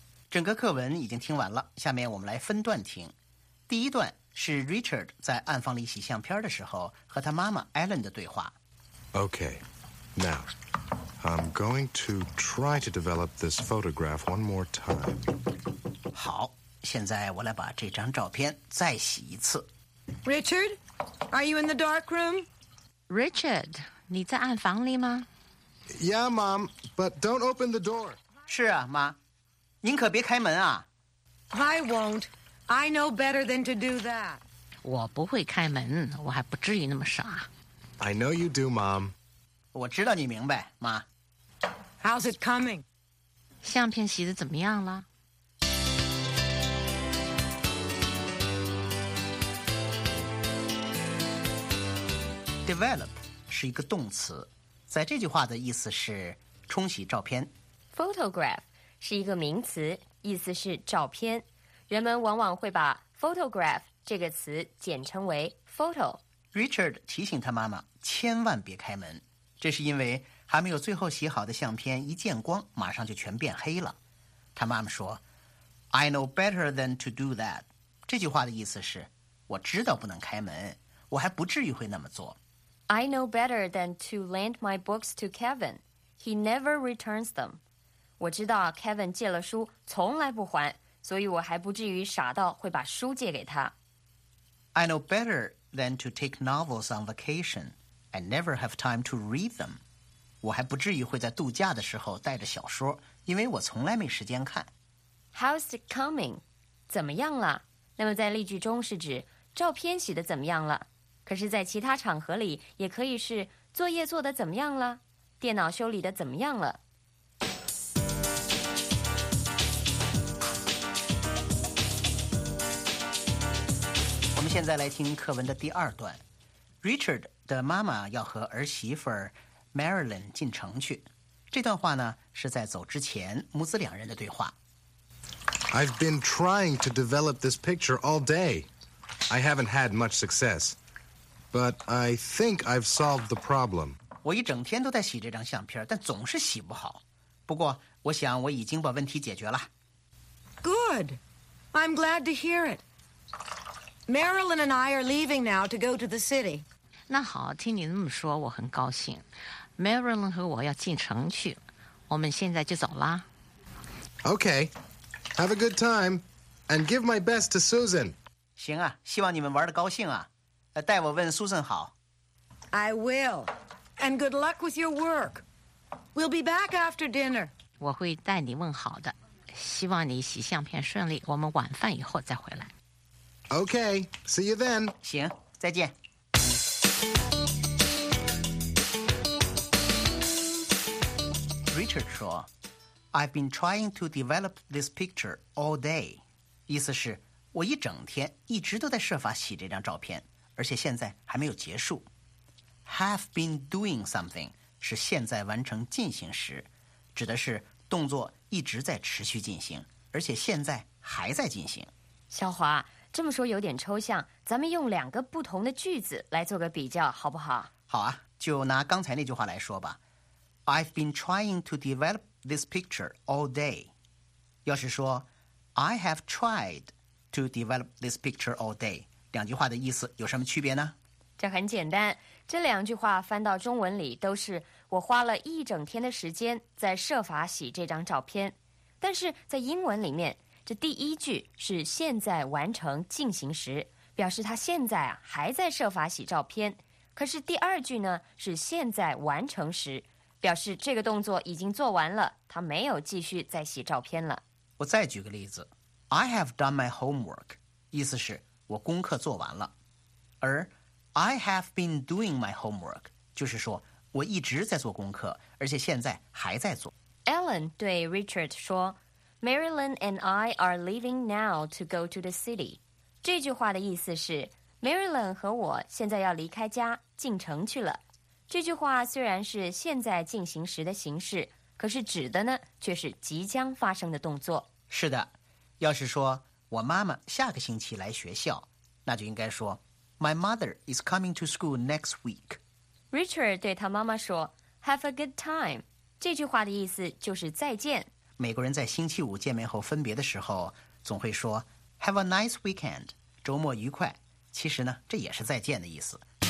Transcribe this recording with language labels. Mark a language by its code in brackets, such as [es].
[zh] 整个课文已经听完了，下面我们来分段听。第一段是 Richard 在暗房里洗相片的时候和他妈妈 Ellen 的对话。 [en] Okay, now... I'm going to try to develop this photograph one more time. [zh] 好，现在我来把这张照片再洗一次。 [en] Richard, are you in the dark room? [zh] Richard, 你在暗房里吗 [en] ？Yeah, Mom, but don't open the door. [zh] 是啊，妈，您可别开门啊。 [en] I won't. I know better than to do that. [zh] 我不会开门，我还不至于那么傻。 [en] I know you do, Mom. [zh] 我知道你明白，妈。 [en] How's it coming? [zh] 相片洗得怎么样了？ [en] Develop [zh] 是一个动词，在这句话的意思是冲洗照片。 [en] Photograph [zh] 是一个名词，意思是照片。人们往往会把 photograph 这个词简称为 photo。 Richard 提醒他妈妈千万别开门，这是因为还没有最后洗好的相片一见光马上就全变黑了。他妈妈说 [en] I know better than to do that， [zh] 这句话的意思是我知道不能开门，我还不至于会那么做。 [en] I know better than to lend my books to Kevin， he never returns them。 [zh] 我知道 Kevin 借了书从来不还，所以我还不至于傻到会把书借给他。 [en] I know better than to take novels on vacation， I never have time to read them。 [zh] 我还不至于会在度假的时候带着小说，因为我从来没时间看。 [en] How's it coming？ [zh] 怎么样了？那么在例句中是指照片洗得怎么样了，可是在其他场合里也可以是作业做得怎么样了，电脑修理得怎么样了。我们现在来听课文的第二段。Richard 的妈妈要和儿媳妇儿Marilyn 进城去，这段话呢是在走之前母子两人的对话。 [en] I've been trying to develop this picture all day. I haven't had much success, but I think I've solved the problem. [zh] 我一整天都在洗这张相片，但总是洗不好。不过，我想我已经把问题解决了。 [en] Good. I'm glad to hear it. Marilyn and I are leaving now to go to the city. [zh] 那好，听你那么说我很高兴。Marilyn 和我要进城去，我们现在就走啦。 [en] OK, have a good time and give my best to Susan. [zh] 行啊，希望你们玩得高兴啊，代我问 Susan 好。 [en] I will, and good luck with your work. We'll be back after dinner. [zh] 我会代你问好的，希望你洗相片顺利，我们晚饭以后再回来。 [en] OK, see you then. [zh] 行，再见。 [en] Richard [zh] 说 [en] I've been trying to develop this picture all day. [zh] 意思是我一整天一直都在设法洗这张照片，而且现在还没有结束。 [en] Have been doing something [zh] 是现在完成进行时，指的是动作一直在持续进行，而且现在还在进行。小华，这么说有点抽象，咱们用两个不同的句子来做个比较好不好？好啊，就拿刚才那句话来说吧。 [en] I've been trying to develop this picture all day. [zh] 要是说 [en] I have tried to develop this picture all day, [zh] 两句话的意思有什么区别呢？这很简单，这两句话翻到中文里都是我花了一整天的时间在设法洗这张照片。但是在英文里面，这第一句是现在完成进行时，表示他现在啊还在设法洗照片。可是第二句呢是现在完成时，表示这个动作已经做完了，他没有继续再洗照片了。我再举个例子 ， [en] I have done my homework， [zh] 意思是我功课做完了。而 [en] I have been doing my homework， [zh] 就是说我一直在做功课，而且现在还在做。 [en] Ellen [zh] 对 [en] Richard [zh] 说 [en] ，Marilyn and I are leaving now to go to the city。 [zh] 这句话的意思是 ，Marilyn 和我现在要离开家，进城去了。这句话虽然是现在进行时的形式，可是指的呢却是即将发生的动作。是的，要是说我妈妈下个星期来学校，那就应该说 [en] My mother is coming to school next week. [zh] Richard 对他妈妈说 [en] Have a good time. [zh] 这句话的意思就是再见。美国人在星期五见面后分别的时候总会说 [en] Have a nice weekend. [zh] 周末愉快。其实呢这也是再见的意思。